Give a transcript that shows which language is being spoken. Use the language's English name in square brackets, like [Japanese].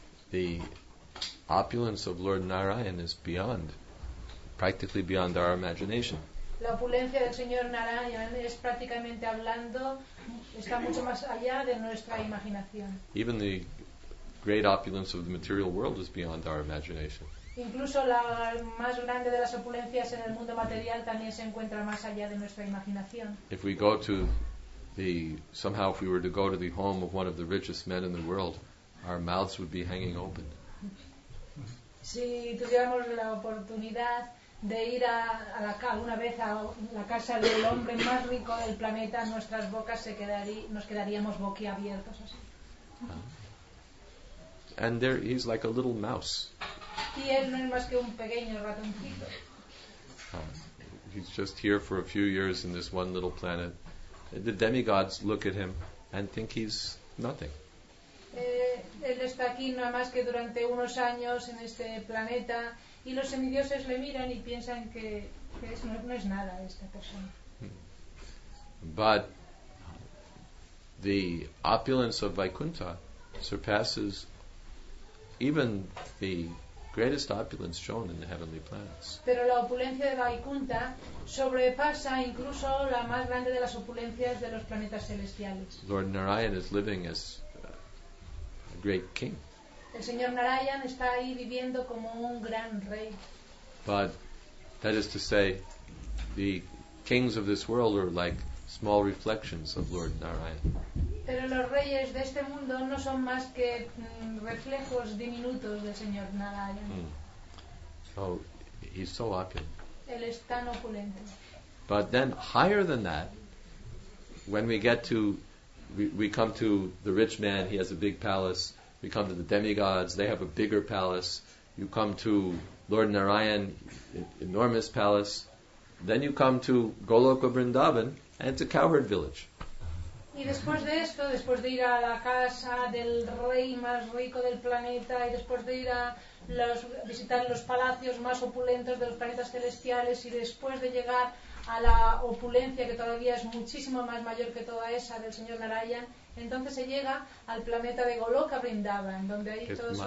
[English] The opulence of Lord Narayan is beyond, practically beyond our imagination. [Spanish] La opulencia del señor Narayan es prácticamente hablando está mucho más allá de nuestra imaginación. [English] Even the great opulence of the material world is beyond our imagination. [Spanish] Incluso la más grande de las opulencias en el mundo material también se encuentra más allá de nuestra imaginación. [English] If we go to the somehow if we were to go to the home of one of the richest men in the world, our mouths would be hanging open. [Spanish] Si tuviéramos la oportunidad de ir alguna vez a la casa del hombre más rico del planeta, nuestras bocas nos quedaríamos boquiabiertos así. [English] And there he's like a little mouse. [Spanish] Y él no es más que un pequeño ratoncito. [English] He's just here for a few years in this one little planet. The demigods look at him and think he's nothing. [Spanish] Él está aquí nada más que durante unos años en este planeta y los semidioses le miran y piensan que no es nada esta persona. [English] But the opulence of Vaikuntha surpasses even the greatest opulence shown in the heavenly planets. [Spanish] Pero la opulencia de Vaikuntha sobrepasa incluso la más grande de las opulencias de los planetas celestiales. [English] Lord Narayan is living as a great king. [Spanish] El señor Narayan está ahí viviendo como un gran rey. [English] But that is to say, the kings of this world are like small reflections of Lord Narayan. [Spanish] Pero los reyes de este mundo no son más que reflejos diminutos del señor Narayan. Mm. [English] So he's so opulent. [Spanish] Él es tan opulente. [English] But then higher than that, when we come to the rich man, he has a big palace. We come to the demigods, they have a bigger palace. You come to Lord Narayan, enormous palace. Then you come to Goloka Vrindavan, and it's a cowherd village. [Spanish] Y después de esto, después de ir a la casa del rey más rico del planeta y después de ir a visitar los palacios más opulentos de los planetas celestiales y después de llegar a la opulencia que todavía es muchísimo más mayor que toda esa del señor Narayan, entonces se llega al planeta de Goloka Vrindavan, donde ahí todos son